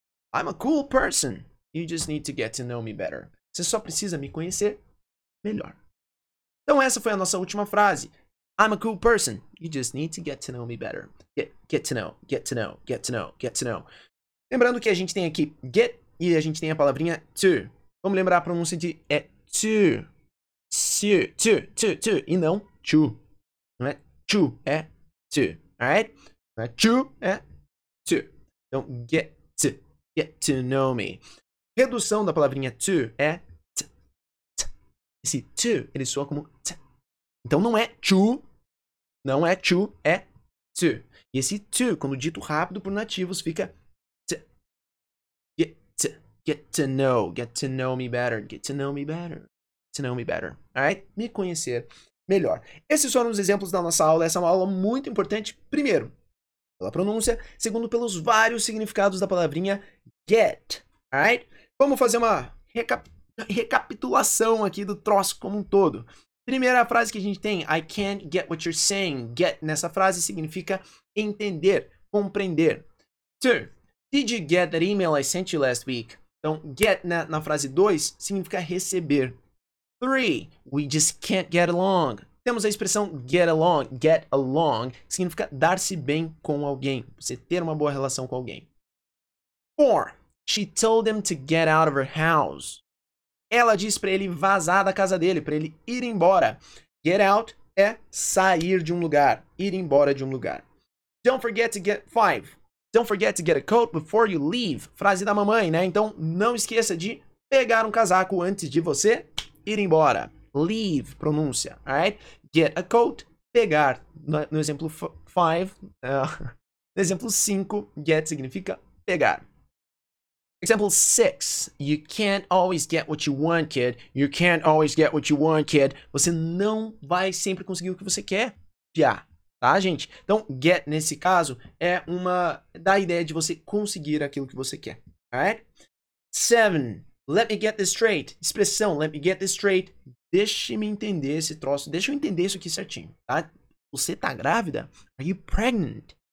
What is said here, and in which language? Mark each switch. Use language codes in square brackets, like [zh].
[en] I'm a cool person. You just need to get to know me better. [pt] Você só precisa me conhecer melhor. Então, essa foi a nossa última frase. [en] I'm a cool person. You just need to get to know me better. Get to know, get to know, get to know, get to know. [pt] Lembrando que a gente tem aqui get e a gente tem a palavrinha to. Vamos lembrar a pronúncia de é to. To, to, to, to. E não to. Não é to, é to. Alright? Não é to, é to. Então, get to. [en] Get to know me. [pt] Redução da palavrinha to é t, t. Esse to, ele soa como t. Então não é to, não é to, é to. E esse to, quando dito rápido por nativos, fica t. [en] Get to, get to know me better, get to know me better, get to know me better. [pt] Alright? Me conhecer melhor. Esses foram os exemplos da nossa aula. Essa é uma aula muito importante. Primeiro, pela pronúncia. Segundo, pelos vários significados da palavrinha get, alright? Vamos fazer uma recapitulação aqui do troço como um todo. Primeira frase que a gente tem, [en] I can't get what you're saying. [pt] Get nessa frase significa entender, compreender. [en] Two, did you get that email I sent you last week? [pt] Então, get na frase 2 significa receber. [en] Three, we just can't get along. [pt] Temos a expressão get along, que significa dar-se bem com alguém, você ter uma boa relação com alguém. 4. [en] She told him to get out of her house. [pt] Ela disse para ele vazar da casa dele, para ele ir embora. Get out é sair de um lugar, ir embora de um lugar. [en] Don't forget to get 5. Don't forget to get a coat before you leave. [pt] Frase da mamãe, né? Então, não esqueça de pegar um casaco antes de você ir embora. Leave, pronúncia, alright? [en] Get a coat, [pt] pegar. No exemplo 5, no exemplo 5, get significa pegar. [en] Example 6, you can't always get what you want, kid. You can't always get what you want, kid. [pt] Você não vai sempre conseguir o que você quer, já, tá, gente? Então, get, nesse caso, é uma da ideia de você conseguir aquilo que você quer, alright? [en] 7, let me get this straight. [pt] Expressão, [en] let me get this straight. [pt] Deixe-me entender esse troço, deixa eu entender isso aqui certinho, tá? Você tá grávida? [en] Are you pregnant?